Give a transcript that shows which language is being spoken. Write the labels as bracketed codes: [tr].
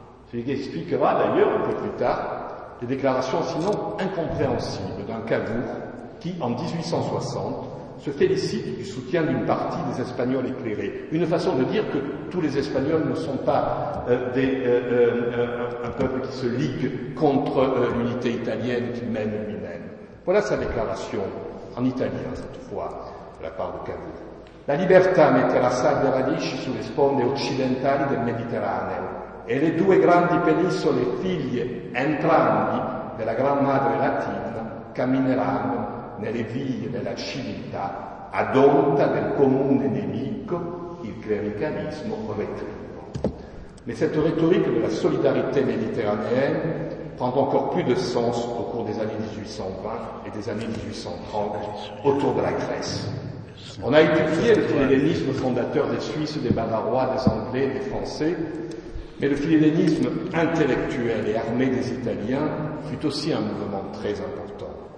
[fr] Ce qui expliquera d'ailleurs un peu plus tard les déclarations sinon incompréhensibles d'un Cavour qui, en 1860, se félicite du soutien d'une partie des Espagnols éclairés. Une façon de dire que tous les Espagnols ne sont pas un peuple qui se ligue contre l'unité italienne qu'il mène lui-même. Voilà sa déclaration en italien cette fois de la part de Cavour. [it] La libertà metterà salde radici sulle sponde occidentali del Mediterraneo e le due grandi penisole figlie entrambi della gran madre latina cammineranno nelle vie della civiltà adonta del comune nemico, il clericalismo retrivo. [fr] Mais cette rhétorique de la solidarité méditerranéenne prend encore plus de sens au cours des années 1820 et des années 1830 autour de la Grèce. On a étudié le philhellénisme fondateur des Suisses, des Bavarois, des Anglais, des Français, mais le philhellénisme intellectuel et armé des Italiens fut aussi un mouvement très important.